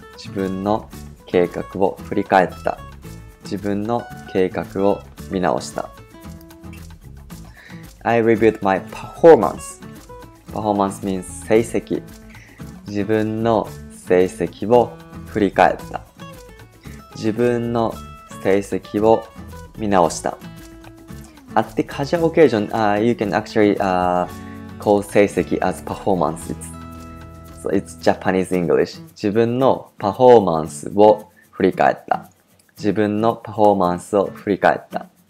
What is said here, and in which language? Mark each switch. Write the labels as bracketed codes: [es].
[ja] 自分の計画を振り返った。自分の計画を見直した。 [en] I reviewed my performance. Performance means 成績。 [ja] 自分の成績を振り返った。自分の成績を見直した。 [en] At the casual occasion, you can actually call 成績 as performance. It's Japanese English. [ja] 自分のパフォーマンスを振り返った。自分のパフォーマンスを振り返った。